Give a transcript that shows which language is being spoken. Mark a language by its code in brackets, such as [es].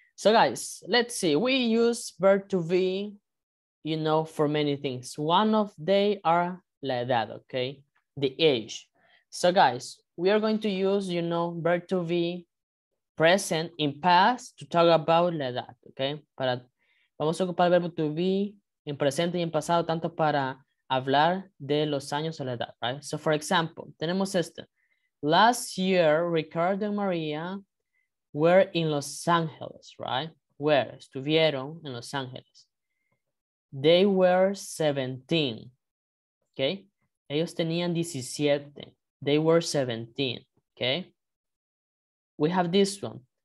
[en] So guys, let's see. We use verb to be, you know, for many things. One of they are like that, okay? The age. So guys, we are going to use, you know, verb to be present in past to talk about [es] la edad, [en] okay? [es] Para, vamos a ocupar el verbo to be en presente y en pasado tanto para hablar de los años o la edad, right? [en] So for example, [es] tenemos esto. [en] Last year, Ricardo and Maria were in Los Angeles, right? Where? [es] Estuvieron en Los Ángeles. [en] They were 17, okay? [es] Ellos tenían 17. [en] They were 17, okay? We have this one.